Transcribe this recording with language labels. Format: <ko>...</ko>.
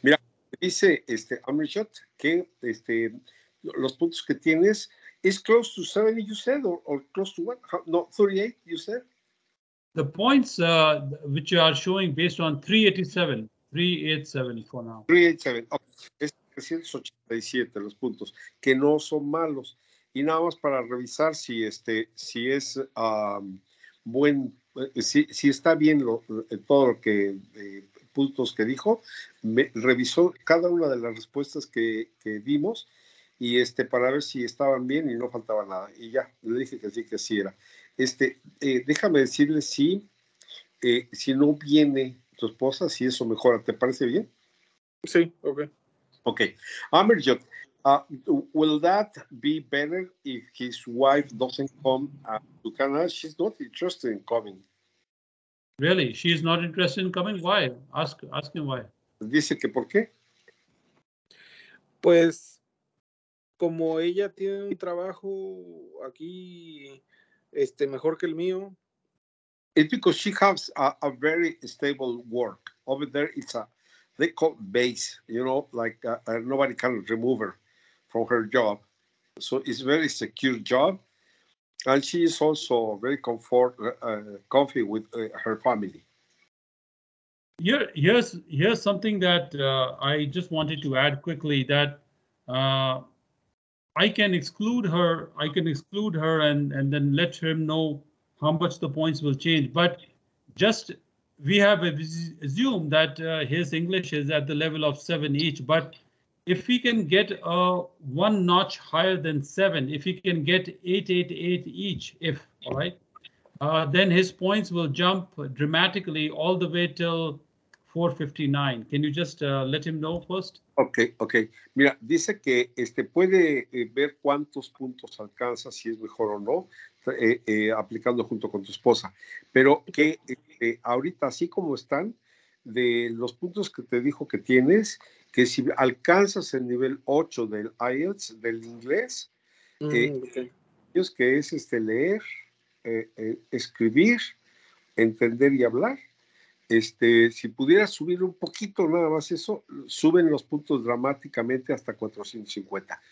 <es>Mira, dice Amarjot que los puntos que tienes</es> <en>is close to 70, you said, or close to what? No, 38, you said? The points which you are showing based on 387 for now.</en> <es>387. Okay. Los puntos que no son malos. Y nada más para revisar si si es buen, si está bien todo lo que puntos que dijo. Me revisó cada una de las respuestas que dimos y para ver si estaban bien y no faltaba nada. Y ya le dije que sí era. Déjame decirle si no viene tu esposa, si eso mejora, ¿te parece bien? Sí, okay.</es> <en>Okay. Amarjot, Will that be better if his wife doesn't come to Canada? She's not interested in coming. Really? She is not interested in coming? Why? Ask him why.</en> <es>Dice que por qué. Pues, como ella tiene un trabajo aquí, mejor que el mío.</es> <en>It's because she has a very stable work. Over there, it's a, they call base, you know, like nobody can remove her from her job. So it's very secure job. And she is also very comfy with her family. Here's something that I just wanted to add quickly, that I can exclude her and then let him know how much the points will change. But just we have assumed that his English is at the level of 7 each. But if he can get one notch higher than 7, if he can get 8 each, if all right, then his points will jump dramatically all the way till 459. Can you just let him know first? Okay.</en> <es>Mira, dice que puede ver cuántos puntos alcanza, si es mejor o no, aplicando junto con tu esposa. Pero que ahorita, así como están, de los puntos que te dijo que tienes, que si alcanzas el nivel 8 del IELTS, del inglés, ellos que es leer, escribir, entender y hablar, si pudieras subir un poquito nada más eso, suben los puntos dramáticamente hasta 450.</es>